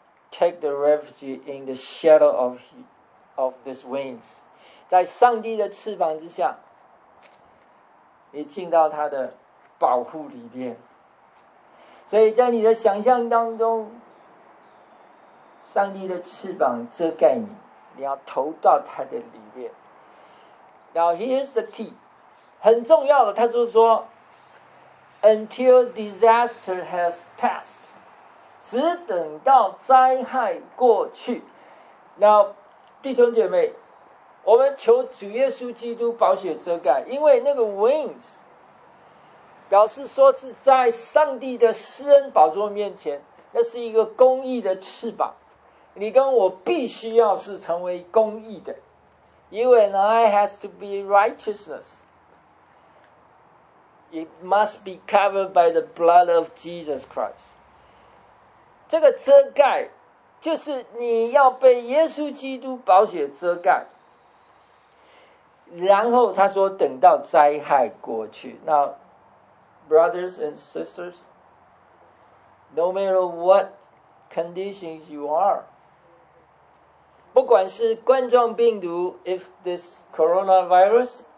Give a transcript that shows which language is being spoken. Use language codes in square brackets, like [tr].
[en] Take the refugee in the shadow of these wings. [zh] 在上帝的翅膀之下，你进到他的保护里面。所以在你的想象当中，上帝的翅膀遮盖你，你要投到他的里面。 [en] Now here's the key， [zh] 很重要的，他就是说 [en] ，until disaster has passed， [zh] 只等到灾害过去。 Now 弟兄姐妹，我们求主耶稣基督宝血遮盖，因为那个 wings 表示说是在上帝的施恩宝座面前，那是一个公义的翅膀。你跟我必须要是成为公义的。 [en] You and I has to be righteousness. It must be covered by the blood of Jesus Christ. [zh] 这个遮盖就是你要被耶稣基督宝血遮盖，然后他说等到灾害过去。 [en] Now brothers and sisters, no matter what conditions you are， [zh] 不管是冠状病毒 [en] if this coronavirus,